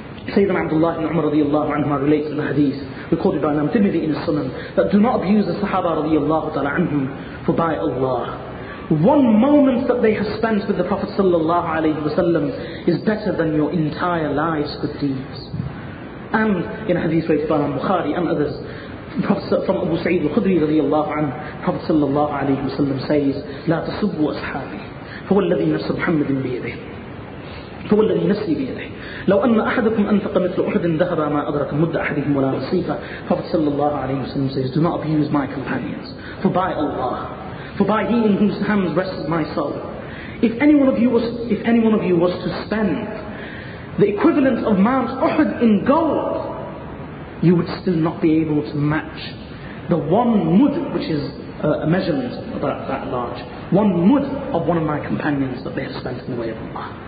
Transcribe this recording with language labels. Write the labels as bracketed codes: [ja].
[en] Sayyidina Abdullah ibn Umar radiyallahu anhu relates in the hadith recorded by Imam Tirmidhi in his Sunan that do not abuse the Sahaba radiyallahu ta'ala anhum, for by Allah, one moment that they have spent with the Prophet sallallahu alayhi wa sallam is better than your entire life's good deeds. And in a hadith raised by Imam Bukhari and others, from Abu Sa'id al-Khudri radiyallahu anhu, Prophet sallallahu alayhi wa sallam says, [ar] لا تصبوا أصحابي فهو الذي نفس محمد بيده فهو الذي نفسي بيده لو أن أحدكم أنفق مثل أحد ذهبا ما أدرك مد أحدهم ولا نصيفا. [en] Prophet sallallahu alayhi wa sallam says, do not abuse my companions, for by Allah, for by He in whose hands rests my soul, if any one of you was to spend the equivalent of Mount Uhud in gold, you would still not be able to match the one mud, which is a measurement about that large, one mud of one of my companions that they have spent in the way of Allah.